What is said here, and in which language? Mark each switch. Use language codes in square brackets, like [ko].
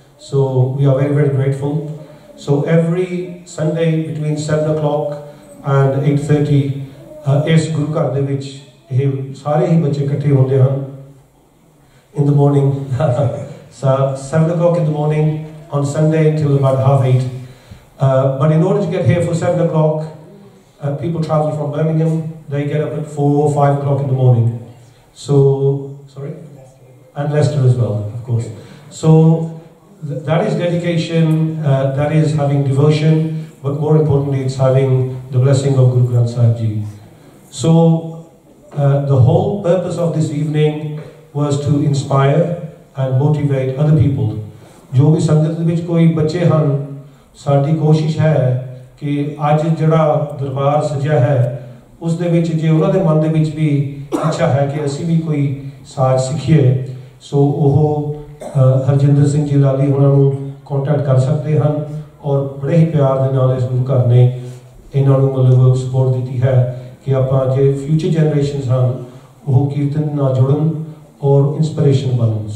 [en] So we are very very grateful. So every Sunday between 7 o'clock and 8:30 [pa] ਇਸ ਗੁਰੂ ਘਰ ਦੇ ਵਿੱਚ ਇਹ ਸਾਰੇ ਹੀ ਬੱਚੇ ਇਕੱਠੇ ਹੁੰਦੇ ਹਨ [en] In the morning 7 o'clock in the morning on Sunday till about 8:30 but in order to get here for 7 o'clock people travel from Birmingham, they get up at 4 or 5 o'clock in the morning. So sorry, and Leicester as well, of course. So that is dedication, that is having devotion, but more importantly it's having the blessing of Guru Granth Sahib Ji. So the whole purpose of this evening was to inspire and motivate other people. [pa] Jo bhi sangat vich koi bacche han, ਸਾਡੀ ਕੋਸ਼ਿਸ਼ ਹੈ ਕਿ ਅੱਜ ਜਿਹੜਾ ਦਰਬਾਰ ਸਜਿਆ ਹੈ ਉਸ ਦੇ ਵਿੱਚ ਜੇ ਉਹਨਾਂ ਦੇ ਮਨ ਦੇ ਵਿੱਚ ਵੀ ਇੱਛਾ ਹੈ ਕਿ ਅਸੀਂ ਵੀ ਕੋਈ ਸਾਜ ਸਿੱਖੀਏ, ਸੋ ਉਹ ਹਰਜਿੰਦਰ ਸਿੰਘ ਜੀ ਲਾਲੀ ਉਹਨਾਂ ਨੂੰ ਕੰਟੈਕਟ ਕਰ ਸਕਦੇ ਹਨ ਔਰ ਬੜੇ ਹੀ ਪਿਆਰ ਦੇ ਨਾਲ ਇਸ ਗੁਰੂ ਘਰ ਨੇ ਇਹਨਾਂ ਨੂੰ ਮਤਲਬ ਸਪੋਰਟ ਦਿੱਤੀ ਹੈ ਕਿ ਆਪਾਂ ਜੇ ਫਿਊਚਰ ਜਨਰੇਸ਼ਨਸ ਹਨ ਉਹ ਕੀਰਤਨ ਨਾਲ ਜੁੜਨ ਔਰ ਇੰਸਪੀਰੇਸ਼ਨ ਬਣਨ।